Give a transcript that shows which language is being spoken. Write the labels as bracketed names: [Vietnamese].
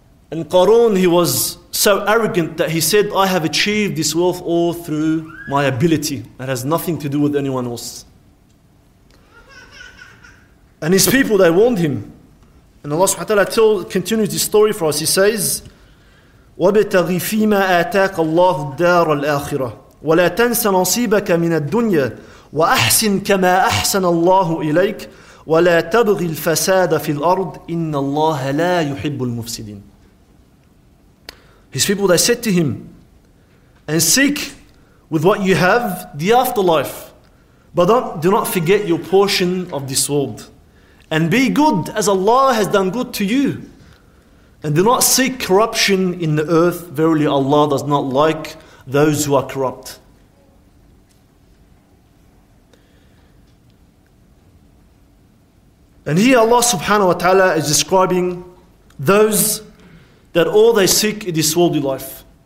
[English] And Qarun, he was so arrogant that he said, I have achieved this wealth all through my ability. It has nothing to do with anyone else. And his people, they warned him. And Allah subhanahu wa ta'ala continues this story for us. He says, [Arabic] وَبِتَغِي فِيمَا آتَاكَ اللَّهُ الدَّارَ الْآخِرَةِ وَلَا تَنْسَ نَصِيبَكَ مِنَ الدُّنْيَا وَأَحْسِنْ كَمَا أَحْسَنَ اللَّهُ إِلَيْكَ وَلَا تَبْغِي الْفَسَادَ فِي الْأَرْضِ إِنَّ اللَّهَ لَا يُحِبُّ الْمُفْسِدِينَ [English] His people, they said to him, and seek with what you have the afterlife, but do not forget your portion of this world. And be good as Allah has done good to you. And do not seek corruption in the earth. Verily Allah does not like those who are corrupt. And here Allah subhanahu wa ta'ala is describing those that all they seek is this worldly life.